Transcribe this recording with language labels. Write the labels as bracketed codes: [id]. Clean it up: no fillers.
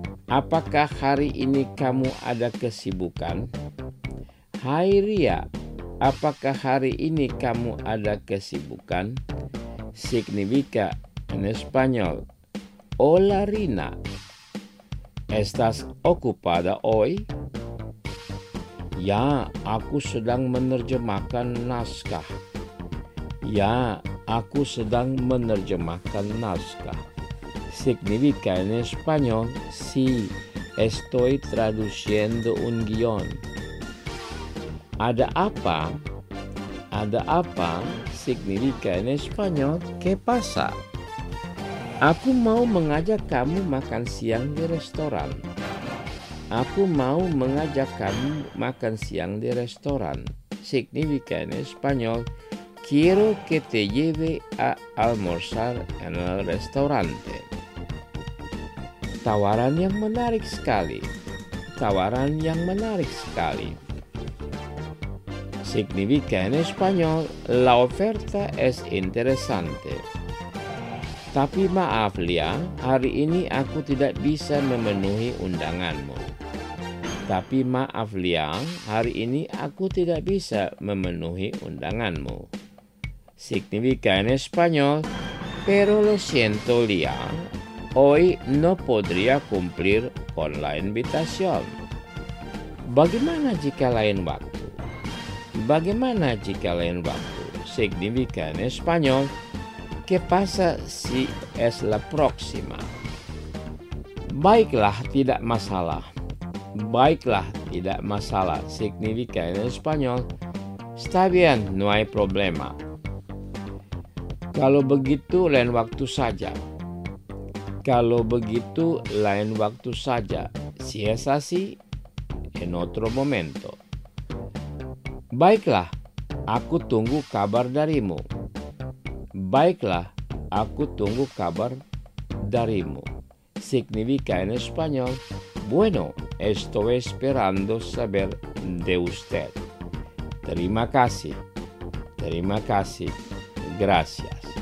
[id] Apakah hari ini kamu ada kesibukan? Hai Ria, apakah hari ini kamu ada kesibukan? [es] Significa en español. Hola Rina, ¿estás ocupada hoy? [id] Ya, aku sedang menerjemahkan naskah. Ya, aku sedang menerjemahkan naskah. [es] Significa en español, sí, estoy traduciendo un guion. [id] Ada apa? Ada apa? [es] Significa en español, ¿qué pasa? [id] Aku mau mengajak kamu makan siang di restoran. Aku mau mengajak kamu makan siang di restoran. [es] Significa en español, quiero que te lleve a almorzar en el restaurante. [id] Tawaran yang menarik sekali. Tawaran yang menarik sekali. [es] Significa en español, la oferta es interesante. [id] Tapi maaf Lia, hari ini aku tidak bisa memenuhi undanganmu. Tapi maaf Lia, hari ini aku tidak bisa memenuhi undanganmu. [es] Significa en español, pero lo siento Lia, hoy no podría cumplir con la invitación. [id] Bagaimana jika lain waktu? Bagaimana jika lain waktu? [es] Significa en español, ¿qué pasa si es la próxima? [id] Baiklah, tidak masalah. Baiklah, tidak masalah. [es] Significa en español, está bien, no hay problema. [id] Kalau begitu, lain waktu saja. Kalau begitu, lain waktu saja. [es] Si es así, en otro momento. [id] Baiklah, aku tunggu kabar darimu. Baiklah, aku tunggu kabar darimu. [es] Significa en español, bueno, estoy esperando saber de usted. [id] Terima kasih. Terima kasih. [es] Gracias.